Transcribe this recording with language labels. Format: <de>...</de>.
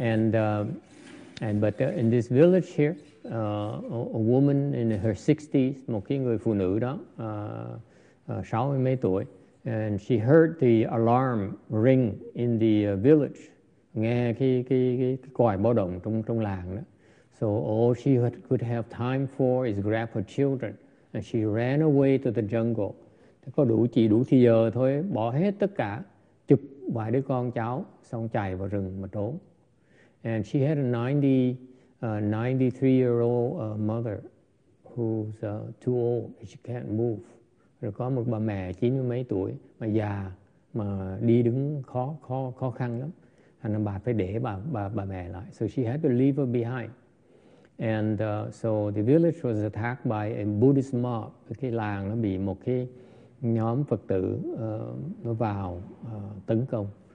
<en>But in this village here, a woman in her 60s,</en> <vi>một cái người phụ nữ đó, 60 mấy tuổi,</vi> <en>and she heard the alarm ring in the village.</en> <vi>Nghe cái còi báo động trong làng đó.</vi> <en>So all she could have time for is grab her children, and she ran away to the jungle.</en> <vi>Có đủ thời giờ thôi, bỏ hết tất cả, chụp vài đứa con cháu, xong chạy vào rừng mà trốn.</vi> <en>And she had a 93-year-old mother who's too old, she can't move.</en> <vi>Rồi có một bà mẹ 90 mấy tuổi mà già, mà đi đứng khó khăn lắm.</vi> <en>And</en> <vi>bà phải để bà mẹ lại.</vi> <en>So she had to leave her behind. And so the village was attacked by a Buddhist mob.</en> <vi>Cái làng nó bị một cái nhóm Phật tử nó vào tấn công.</vi>